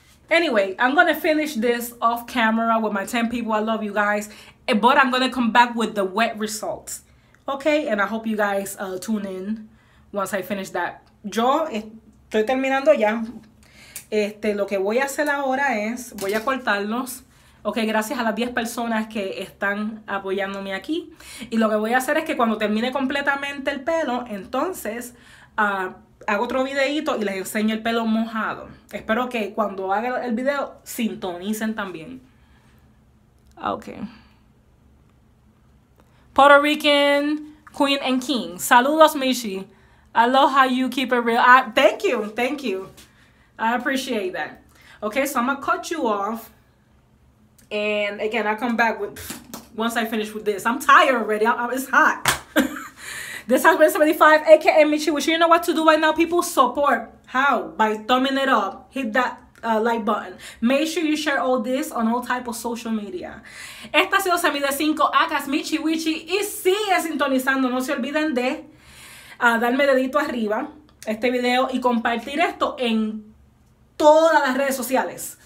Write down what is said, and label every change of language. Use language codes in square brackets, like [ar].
[en] Anyway, I'm going to finish this off camera with my 10 people. I love you guys. But I'm going to come back with the wet results. Okay, and I hope you guys tune in once I finish that. [es] Yo estoy terminando ya. Lo que voy a hacer ahora es, voy a cortarlos. Okay, gracias a las 10 personas que están apoyándome aquí. Y lo que voy a hacer es que cuando termine completamente el pelo, entonces hago otro videito y les enseño el pelo mojado. Espero que cuando haga el video, sintonicen también. Okay. [en] Puerto Rican queen and king. Saludos, Michi. I love how you keep it real. Thank you. I appreciate that. Okay, so I'm going to cut you off. And again, I'll come back once I finish with this. I'm tired already. It's hot. This has been 75, a.k.a. Michi Wichi. You know what to do right now, people? Support. How? By thumbing it up. Hit that like button. Make sure you share all this on all type of social media. [es] Esta ha sido Semi de 5, Acas, Michi Wichi, y sigue sintonizando. No se olviden de darme dedito arriba este video y compartir esto en todas las redes sociales.